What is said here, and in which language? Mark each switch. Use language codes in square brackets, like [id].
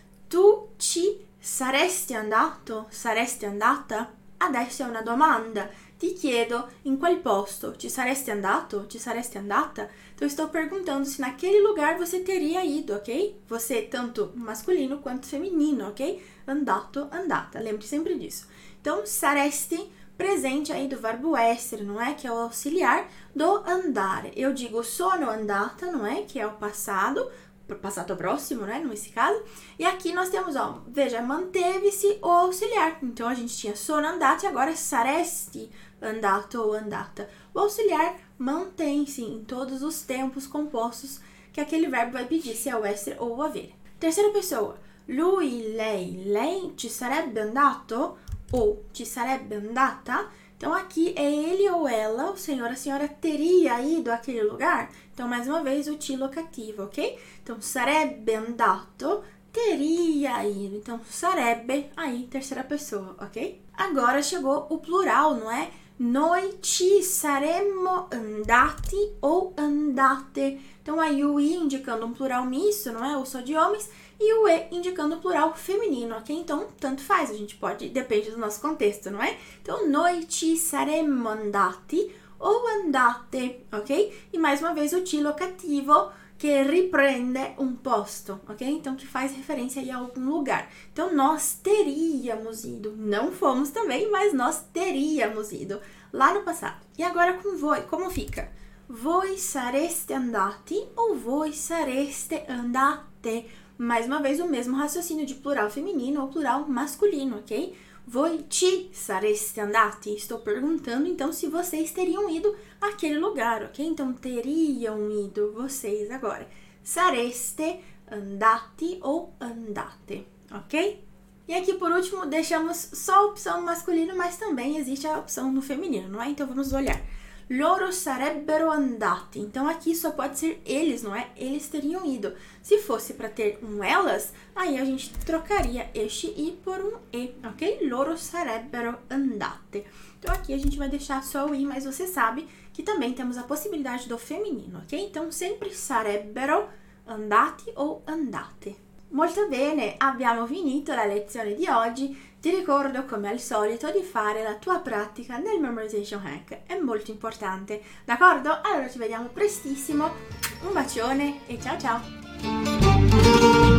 [it] Tu ci saresti andato, saresti andata? Adesso è una domanda. Ti chiedo, in quel posto, ci saresti andato, ci saresti andata? [pt] Então, estou perguntando se naquele lugar você teria ido, ok? Você, tanto masculino quanto feminino, ok? Andato, andata. Lembre sempre disso. Então, saresti, presente aí do verbo essere, não é? Que é o auxiliar do andare. Eu digo [it] sono andata, [pt] não é? Que é o passado, passado próximo, né? Nesse caso. E aqui nós temos, ó, veja, manteve-se o auxiliar. Então, a gente tinha [it] sono andata [pt] e agora [it] saresti andato ou andata. [pt] O auxiliar mantém-se em todos os tempos compostos que aquele verbo vai pedir, se é o essere ou o avere. Terceira pessoa. [it] Lui, lei, lei, ci sarebbe andato ou ci sarebbe andata? [pt] Então, aqui é ele ou ela, o senhor, a senhora, teria ido àquele lugar? Então, mais uma vez, o ti locativo, ok? Então, [it] sarebbe andato, [pt] teria ido. Então, sarebbe, aí, terceira pessoa, ok? Agora chegou o plural, não é? [it] Noi ci saremmo andati ou andate. [pt] Então, aí o i indicando um plural misto, não é? Ou só de homens. E o e indicando o plural feminino, ok? Então, tanto faz, a gente pode, depende do nosso contexto, não é? [it] Então, noi ci saremmo andati ou andate, ok? [pt] E mais uma vez o ti locativo [it] che riprende un posto, [pt] ok? Então, que faz referência aí a algum lugar. Então, nós teríamos ido. Não fomos também, mas nós teríamos ido lá no passado. E agora com voi, como fica? [it] Voi sareste andati ou voi sareste andate? [pt] Mais uma vez, o mesmo raciocínio de plural feminino ou plural masculino, ok? [it] Voi ci sareste andati? [pt] Estou perguntando, então, se vocês teriam ido àquele lugar, ok? Então, teriam ido vocês agora. [it] Sareste andati ou andate, [pt] ok? E aqui, por último, deixamos só a opção masculino, mas também existe a opção no feminino, não é? Então, vamos olhar. [it] Loro sarebbero andati. [pt] Então, aqui só pode ser eles, não é? Eles teriam ido. Se fosse para ter um elas, aí a gente trocaria este i por um e, ok? [it] Loro sarebbero andate. [pt] Então, aqui a gente vai deixar só o i, mas você sabe que também temos a possibilidade do feminino, ok? Então, sempre [it] sarebbero andati ou andate. Molto bene, abbiamo finito la lezione di oggi. Ti ricordo, come al solito, di fare la tua pratica nel Memorization Hack. È molto importante. D'accordo? Allora ci vediamo prestissimo. Un bacione e ciao ciao!